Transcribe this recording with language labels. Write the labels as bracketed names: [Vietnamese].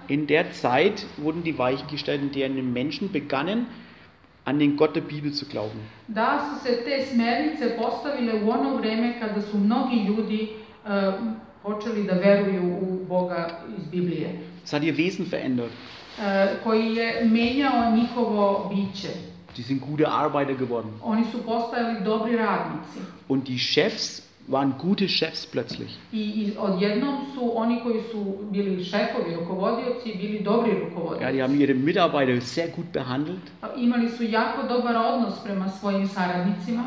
[German] In der Zeit wurden die Weichen gestellt, in denen die Menschen begannen, an den Gott der Bibel zu glauben. [Serbian] Da su se te smernice postavile u ono vreme kada su mnogi ljudi počeli da veruju u Boga iz Biblije. [German] Es hat ihr Wesen verändert. [Serbian] Koji je menjao njihovo biće. [German] Die sind gute Arbeiter geworden. [Serbian] Oni su postali dobri radnici. [German] Und die Chefs waren gute Chefs plötzlich. [Serbian] I odjednom su oni koji su bili šefovi, rukovodioci, bili dobri rukovodioci. [German] Ja, die haben ihre Mitarbeiter sehr gut behandelt. [Serbian] Imali su jako dobar odnos prema svojim saradnicima.